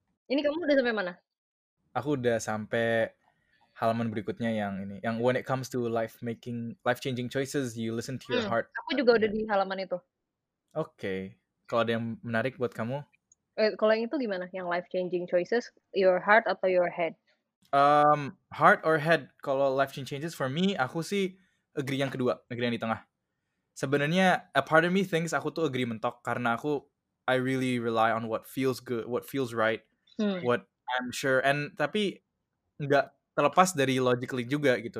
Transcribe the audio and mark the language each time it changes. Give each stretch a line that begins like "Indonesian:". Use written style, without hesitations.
Indonesian: Ini kamu udah sampai mana? Aku udah sampai halaman berikutnya yang ini.
English: Yang when it comes to life making, life changing choices, you listen to your heart.
Indonesian: Aku juga udah di halaman itu.
English: Okay.
Indonesian: Kalau ada yang menarik buat kamu? Kalau yang itu gimana? Yang
English: life changing choices, your heart
Indonesian: atau
English: your head? Heart or head? Kalau life changing choices for me,
Indonesian: aku sih
English: agree
Indonesian: yang kedua,
English: agree
Indonesian: yang di tengah. Sebenarnya
English: a part of me thinks
Indonesian: aku tuh agree mentok karena aku
English: I really rely on what feels good, what feels right, what I'm sure.
Indonesian: And tapi nggak terlepas dari logically juga gitu.